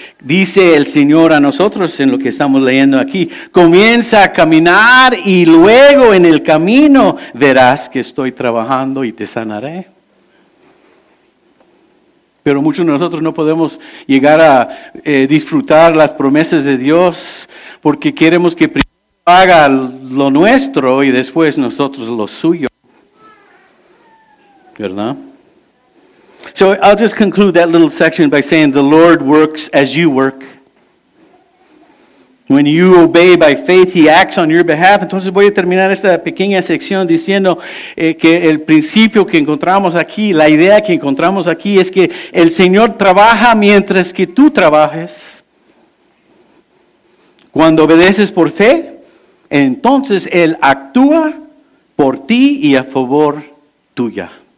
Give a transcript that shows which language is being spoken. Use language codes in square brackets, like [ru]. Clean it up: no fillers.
[es] Dice el Señor a nosotros en lo que estamos leyendo aquí, comienza a caminar y luego en el camino verás que estoy trabajando y te sanaré. Pero muchos de nosotros no podemos llegar a disfrutar las promesas de Dios porque queremos que primero haga lo nuestro y después nosotros lo suyo. ¿Verdad? [en] So I'll just conclude that little section by saying the Lord works as you work. When you obey by faith, He acts on your behalf. [es] Entonces voy a terminar esta pequeña sección diciendo que el principio que encontramos aquí, la idea que encontramos aquí es que el Señor trabaja mientras que tú trabajes. Cuando obedeces por fe, entonces Él actúa por ti y a favor tuya.